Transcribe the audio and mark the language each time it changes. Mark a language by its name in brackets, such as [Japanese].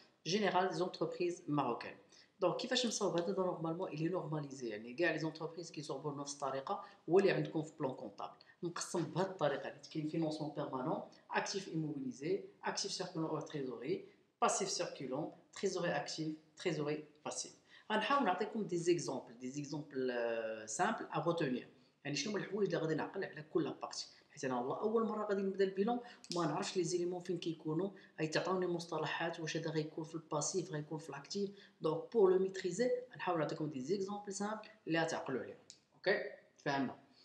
[Arabic] جينيرال دي زونتربريز ماروكان دونك كيفاش نصاوب هذا دو نورمالمون اي لي نورماليزي يعني كاع لي زونتربريز كي صوبو نفس الطريقه هو اللي عندكم في بلان كونطابل نقسم بهذه الطريقه اللي كاين فينونسمون بيرمانون اكتيف ايموبيليزي اكتيف سيركول او تريزوري [French] passif circulant, trésorerie active, trésorerie passive. On va vous donner des exemples simples à retenir. [Arabic] يعني شنو الحوايج اللي غادي نعقل على كل بارتي حيت انا والله اول مره غادي نبدا البيلون ما نعرفش لي زيليمون فين كيكونوا غيتعطوني مصطلحات واش هذا غيكون في الباسيف غيكون في الاكتيف دونك بور لو ميتريزي نحاول نعطيكم دي زيكزامبل سامبل اللي تعقلوا عليهم اوكي فهمنا